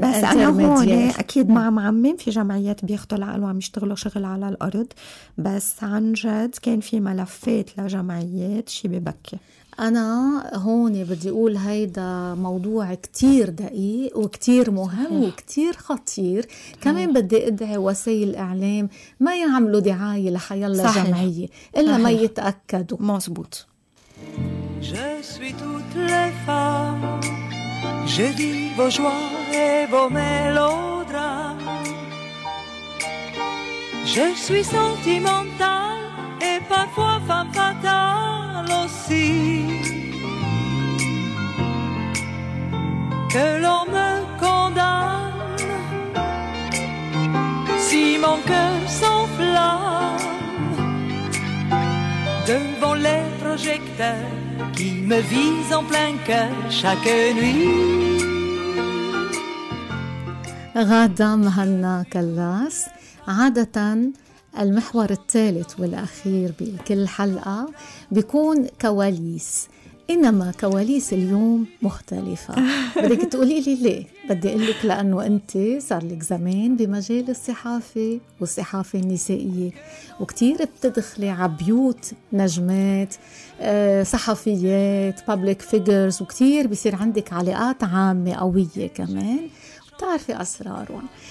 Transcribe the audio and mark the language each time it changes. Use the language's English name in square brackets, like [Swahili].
[Arabic] بس أنا هون أكيد مع معمم في جمعيات بيخطوا العقل وعم يشتغلوا شغل على الأرض، بس عن جد كان في ملفات لجمعيات شي ببكي. أنا هون بدي أقول هيدا موضوع كتير دقيق وكتير مهم وكتير خطير. كمان بدي أدعي وسائل الإعلام ما يعملوا دعاية لحيالة جمعية إلا ما يتأكدوا. مظبوط. [French] Je suis toutes les femmes, j'ai vu vos joies et vos mélodrames. Je suis sentimentale et parfois femme fatale aussi. Que l'on me condamne si mon cœur s'enflamme devant les projecteurs qui me vise en plein cœur chaque nuit. [Arabic] غادة مهنا كلاس. عادة المحور الثالث والأخير بكل حلقة بيكون كواليس، إنما كواليس اليوم مختلفة. بدك تقولي لي ليه؟ بدي أقول لك لأنه أنت صار لك زمان بمجال الصحافة والصحافة النسائية، وكتير بتدخلي عبيوت نجمات صحفيات [English] public figures، [Arabic] وكتير بيصير عندك علاقات عامة قوية كمان تعرفي أسرارهم.